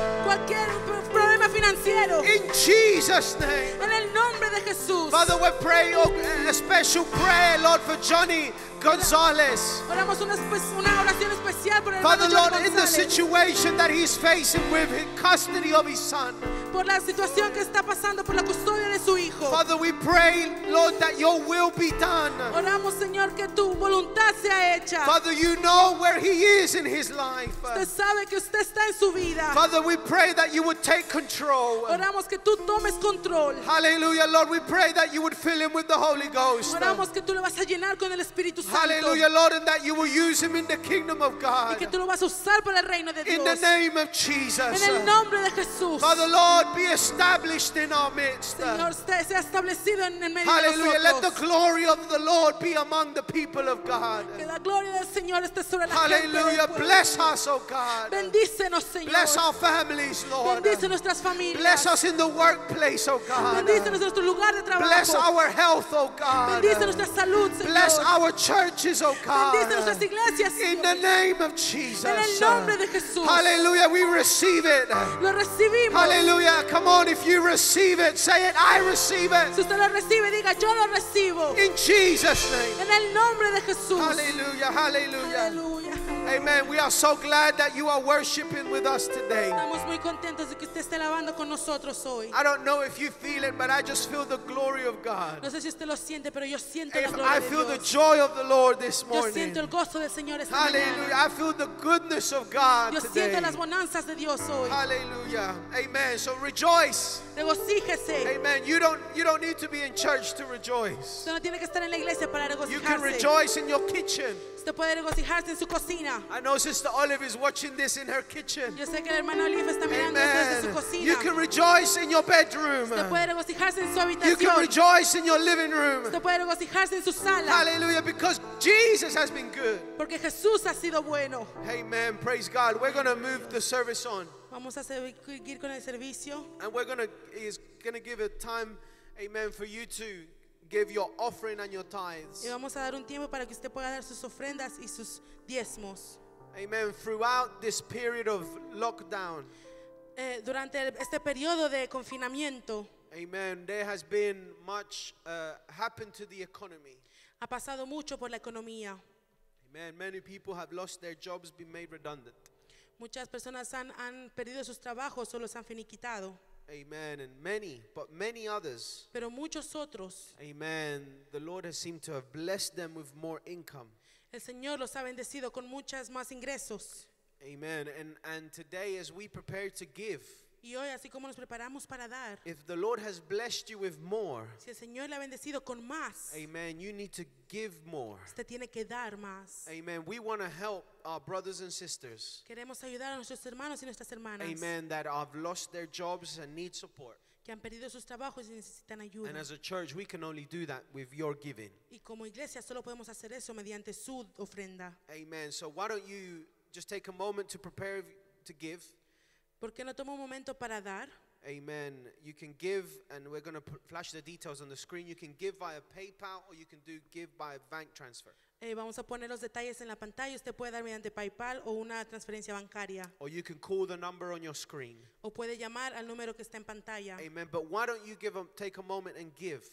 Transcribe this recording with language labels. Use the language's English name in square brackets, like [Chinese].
[Spanish] Cualquier problema financiero. [English] In Jesus' name. [Spanish] En el nombre de Jesús. [English] Father, we're praying a special prayer, Lord, for Johnny Gonzalez. [Spanish] Oramos una oración especial por el [English] Father, Lord, [Spanish] González. [English] In the situation that he's facing with the custody of his son. [Spanish] Por la situación que está pasando por la custodia de su hijo. [English] Father, we pray, Lord, that your will be done. [Spanish] Oramos, Señor, que tu voluntad sea hecha. [English] Father, you know where he is in his life. [Spanish] Usted sabe que usted está en su vida. [English] Father, we pray that you would take control. [Spanish] Oramos que tú tomes control. [English] Hallelujah, Lord, we pray that you would fill him with the Holy Ghost. [Spanish] Oramos que tú lo vas a llenar con el Espíritu Santo. [English] Hallelujah, Lord, and that you will use him in the kingdom of God. [Spanish] Y que tú lo vas a usar para el reino de Dios. [English] In the name of Jesus. [Spanish] En el nombre de Jesús. [English] Father, Lord, Lord, be established in our midst. [Spanish] Señor, sea establecido en medio [English] Hallelujah. [Spanish] De nosotros. [English] Let the glory of the Lord be among the people of God. [Spanish] Que la gloria del Señor esté sobre la [English] Hallelujah. [Spanish] Gente. [English] Bless us, oh God. [Spanish] Bendícenos, Señor. [English] Bless our families, Lord. [Spanish] Bendice nuestras familias. [English] Bless us in the workplace, oh God. [Spanish] Bendícenos nuestro lugar de trabajo. [English] Bless our health, oh God. [Spanish] Bendice nuestra salud, Señor. [English] Bless our churches, oh God. [Spanish] Bendice nuestras iglesias, Señor. [English] In the name of Jesus. [Spanish] En el nombre de Jesús. [English] Hallelujah. We receive it. [Spanish] Lo recibimos. [English] Hallelujah. Come on, if you receive it, say it, I receive it. [Spanish] Si usted lo recibe, diga, yo lo recibo. [English] In Jesus' name. [Spanish] En el nombre de Jesús. [English] Hallelujah, hallelujah. Hallelujah. Amen. We are so glad that you are worshiping with us today. [Spanish] Estamos muy contentos de que usted esté alabando con nosotros hoy. [English] I don't know if you feel it, but I just feel the glory of God. [Spanish] No sé si usted lo siente, pero yo siento la gloria de Dios. [English] I feel the joy of the Lord this morning. [Spanish] Yo siento el gozo del Señor esta mañana. [English] Hallelujah. I feel the goodness of God today. [Spanish] Yo siento las bonanzas de Dios hoy. [English] Hallelujah. Amen. So rejoice. [Spanish] Regocíjese. [English] Amen. You don't need to be in church to rejoice. [Spanish] Usted no tiene que estar en la iglesia para regocijarse. [English] You can rejoice in your kitchen. [Spanish] Usted puede regocijarse en su cocina. [English] I know Sister Olive is watching this in her kitchen. [Spanish] Yo sé que la hermana Olive está mirando desde su cocina. [English] You can rejoice in your bedroom. [Spanish] Usted puede regocijarse en su habitación. [English] You can rejoice in your living room. [Spanish] Usted puede regocijarse en su sala. [English] Hallelujah, because Jesus has been good. [Spanish] Porque Jesús ha sido bueno. [English] Amen. Praise God. We're going to move the service on. [Spanish] Vamos a seguir con el servicio. [English] And he's going to give a time, amen, for you to give your offering and your tithes. [Spanish] Y vamos a dar un tiempo para que usted pueda dar sus ofrendas y sus diezmos. [English] Amen. Throughout this period of lockdown. [Spanish] Durante este periodo de confinamiento. [English] Amen. There has been much happened to the economy. [Spanish] Ha pasado mucho por la economía. [English] Amen. Many people have lost their jobs, been made redundant. [Spanish] Muchas personas han perdido sus trabajos o los han finiquitado. [English] Amen. And many, but many others. [Spanish] Pero muchos otros. [English] Amen. The Lord has seemed to have blessed them with more income. [Spanish] El Señor los ha bendecido con muchas más ingresos. [English] Amen. And today, as we prepare to give. [Spanish] Y hoy, así como nos preparamos para dar. [English] If the Lord has blessed you with more. [Spanish] Si el Señor le ha bendecido con más. [English] Amen. You need to give more. [Spanish] Usted tiene que dar más. [English] Amen. We want to help our brothers and sisters. [Spanish] Queremos ayudar a nuestros hermanos y nuestras hermanas. [English] Amen. That have lost their jobs and need support. [Spanish] Que han perdido sus trabajos y necesitan ayuda. [English] And as a church, we can only do that with your giving. [Spanish] Y como iglesia solo podemos hacer eso mediante su ofrenda. [English] Amen. So why don't you just take a moment to prepare to give? [Spanish] ¿Por qué no tomo un momento para dar? [English] Amen. You can give, and we're going to flash the details on the screen. You can give via PayPal, or you can do give by bank transfer. [Spanish] Vamos a poner los detalles en la pantalla. Usted puede dar mediante PayPal o una transferencia bancaria. [English] Or you can call the number on your screen. [Spanish] O puede llamar al número que está en pantalla. [English] Amen. But why don't you take a moment and give?